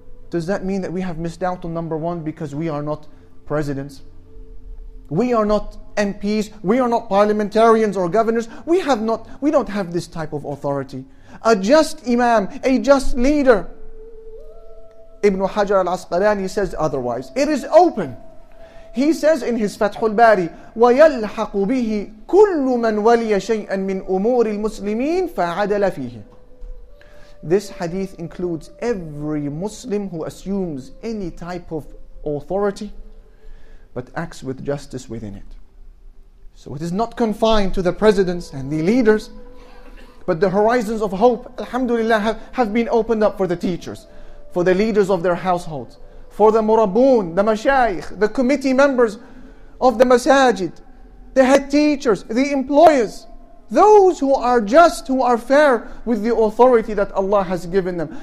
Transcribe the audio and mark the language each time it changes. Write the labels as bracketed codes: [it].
[en] Does that mean that we have missed out on number one because we are not presidents? We are not MPs, we are not parliamentarians or governors, we don't have this type of authority. A just imam, a just leader. Ibn Hajar al-Asqalani says otherwise. It is open. He says in his Fathul Bari, [ar] وَيَلْحَقُ بِهِ كُلُّ مَنْ وَلِيَ شَيْئًا مِنْ أُمُورِ الْمُسْلِمِينَ فَعَدَلَ فِيهِ. [en] This hadith includes every Muslim who assumes any type of authority but acts with justice within it. So it is not confined to the presidents and the leaders, but the horizons of hope, alhamdulillah, have been opened up for the teachers, for the leaders of their households, for the murabun, the mashayikh, the committee members of the masajid, the head teachers, the employers, those who are just, who are fair with the authority that Allah has given them.